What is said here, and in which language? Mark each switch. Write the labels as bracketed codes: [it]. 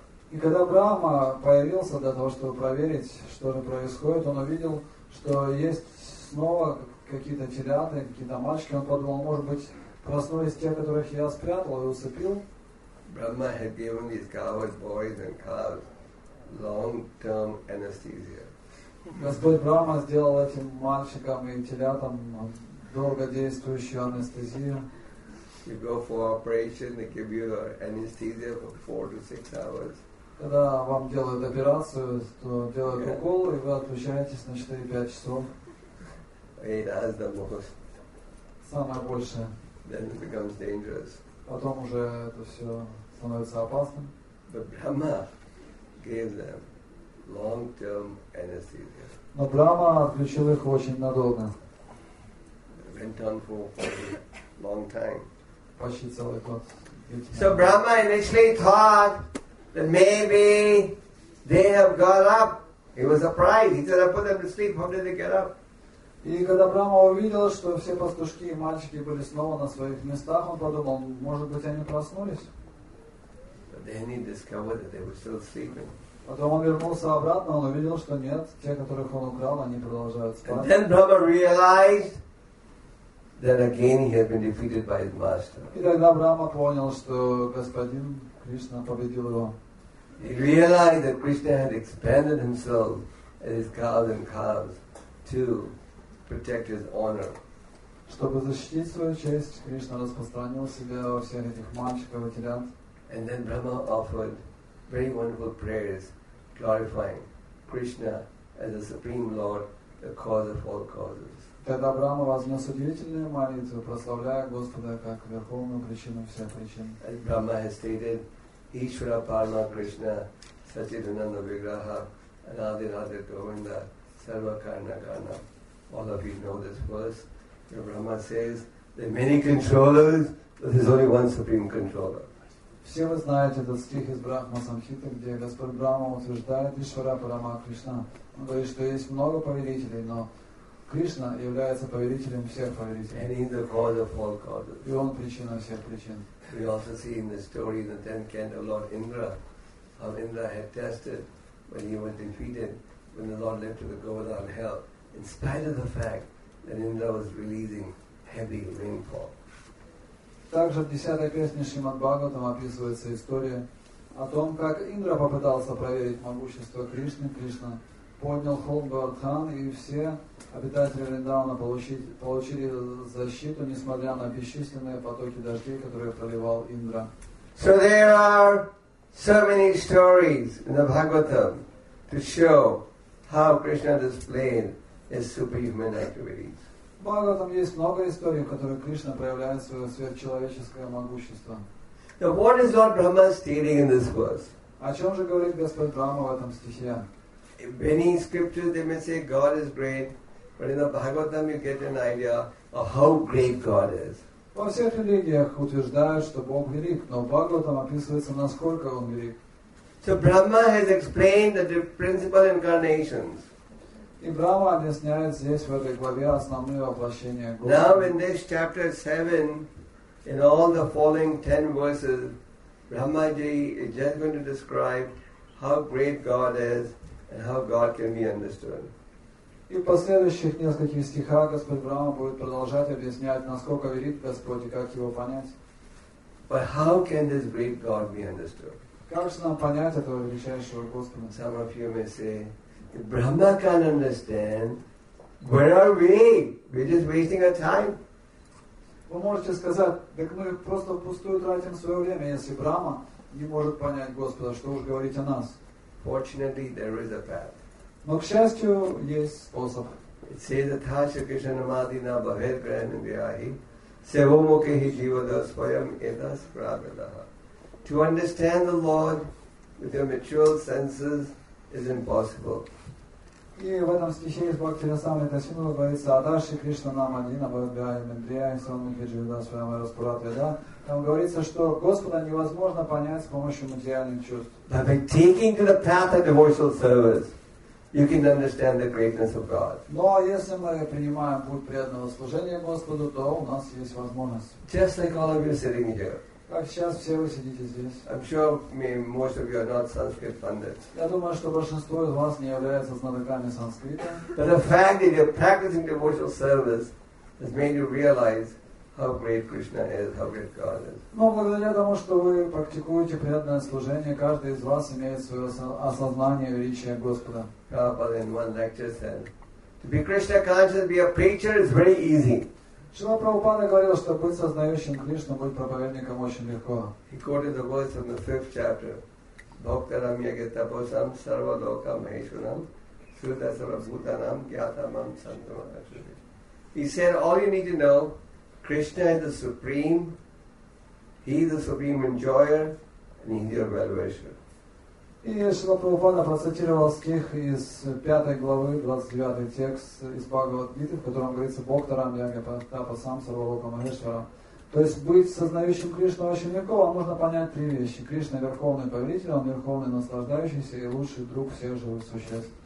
[ru] И когда Брахма появился для того, чтобы проверить, что же происходит, он увидел, что есть снова какие-то теляты, какие-то мальчики. Он подумал, может быть, проснулись те, которых я спрятал и усыпил. [en] Brahma had given these cowards, boys and cows, long-term anesthesia. [ru] Господь Брахма сделал этим мальчикам и телятам долгодействующую анестезию. [en] You go for operation, they give you the anesthesia for 4 to 6 hours. [ru] Когда вам делают операцию, то делают укол, и вы отключаетесь на 4-5 часов. [en] It has the most. [ru] Самое большее. [en] Then it becomes dangerous. [ru] Потом уже это все становится опасным. [en] But Brahma gave them long-term anesthesia. [ru] Но Брахма отключил их очень надолго. [en] It went on for quite a long time. [ru] Почти целый год. [en] So Brahma initially thought that maybe they have got up. He was surprised. He said, I put them to sleep. How did they get up? [ru] И когда Брахма увидел, что все пастушки и мальчики были снова на своих местах, он подумал, может быть, они проснулись. [en] But then he discovered that they were still sleeping. [ru] Потом он вернулся обратно, он увидел, что нет, те, которых он украл, они продолжают спать. [en] And then Brahma realized that again he had been defeated by his master. [ru] И тогда Брахма понял, что господин Кришна победил его. [en] He realized that Krishna had expanded himself as his cows and calves too. Protect his honor. [ru] Чтобы защитить свою честь, Кришна распространил себя во всех этих мальчиков и телят. [en] And then Brahma offered very wonderful prayers, glorifying Krishna as the supreme Lord, the cause of all causes. [ru] Тогда Брахма вознес удивительную молитву, прославляя Господа как верховную причину всех причин. [en] As Brahma has stated, [sa] Ishvara Parma Krishna, Satchidananda Vigraha, Anadi Radha Govinda, Sarva Karna Karna. [en] All of you know this verse. Brahma says, there are many controllers, but there's only one supreme controller. [ru] Все вы знаете этот стих из Брахма Самхиты, где Господь Брахма утверждает [sa] Ишвара Парама Кришна. [ru] Он говорит, что есть много повелителей, но Кришна является повелителем всех повелителей. [en] And he's the cause of all causes. [ru] И он причина всех причин. [en] We also see in the story the 10th canto of Lord Indra, how Indra had tested when he was defeated when the Lord left to the Govardhan hell. In spite of the fact that Indra was releasing heavy rainfall. [ru] Также в 10-й песне Шримад Бхагаватам описывается история о том, как Индра попытался проверить могущество Кришны. Кришна поднял холм Говардхан, и все обитатели Вриндавана получили защиту, несмотря на бесчисленные потоки дождей, которые проливал Индра. [en] So there are so many stories in the Bhagavatam to show how Krishna displayed His superhuman activities. [ru] Бога там есть много историй, в которых Кришна проявляет свое сверхчеловеческое могущество. [en] Now, what is Lord Brahma stating in this verse? [ru] О чем же говорит Господь Брахма в этом стихе? [en] In many scriptures they may say God is great, but in the Bhagavatam you get an idea of how great God is. [ru] Во всех религиях утверждают, что Бог велик, но в Бхагаватам описывается, насколько он велик. [en] So Brahma has explained the principal incarnations. [ru] И Брахма объясняет здесь в этой главе основные воплощения Господа. [en] Now in this chapter 7, in all the following 10 verses, Brahma Ji is just going to describe how great God is and how God can be understood. [ru] И в последующих нескольких стихах Господь Брахма будет продолжать объяснять, насколько велик Господь и как его понять. [en] But how can this great God be understood? [ru] Как же нам понять этого величайшего Господа? [en] Some of you may say, If Brahma can't understand, where are we? We're just wasting our time. [ru] Вы можете сказать, так мы просто впустую тратим свое время, если Брахма не может понять Господа, что уж говорить о нас. [en] Fortunately, there is a path. [ru] Но, к счастью, есть способ. [en] It says that [sa] Thasya Krishna Madina Bhavet Granandiyahi Sevomukhi Jivada Svayam Edas Pravidaha. [en] To understand the Lord with your mature senses is impossible. [ru] И в этом стихе из Бхактирасамрита Синдхи говорится [sa] Адарши Кришна Намадина Бхагавай Мендрияй Санмухи Джида Свайама Распурат Веда. [ru] Там говорится, что Господа невозможно понять с помощью материальных чувств. [en] But by taking to the path of devotional service, you can understand the greatness of God. [ru] Но если мы принимаем путь преданного служения Господу, то у нас есть возможность. [en] Just like all of you sitting here. [ru] Как сейчас все вы сидите здесь? [en] I'm sure me, most of you are not Sanskrit pundits. [ru] Я думаю, что большинство из вас не являются знатоками санскрита. [en] But the fact that you're practicing devotional service has made you realize how great Krishna is, how great God is. [ru] Но благодаря тому, что вы практикуете преданное служение, каждый из вас имеет свое осознание величия Господа. [en] Prabhupada in one lecture said, to be Krishna conscious, be a preacher is very easy. [ru] Шрила Прабхупада говорил, что быть сознающим Кришну, быть проповедником очень легко. [en] He quoted the words from the fifth chapter. [sa] Bhaktaram yagetaposam sarvaloka maheshunam sudasarabhutanam gyatamam santamakashuddhi. [en] He said, all you need to know, Krishna is the supreme, he is the supreme enjoyer, and he is your well-wisher. [ru] И Шрила Прабхупада процитировал стих из 5 главы, 29 текст из Бхагавад-гиты, в котором говорится [sa] «Бхактарам ягатапасам сарвалокамахешварам». [ru] То есть быть сознающим Кришну очень легко, вам нужно понять три вещи. Кришна – верховный повелитель, он верховный наслаждающийся и лучший друг всех живых существ.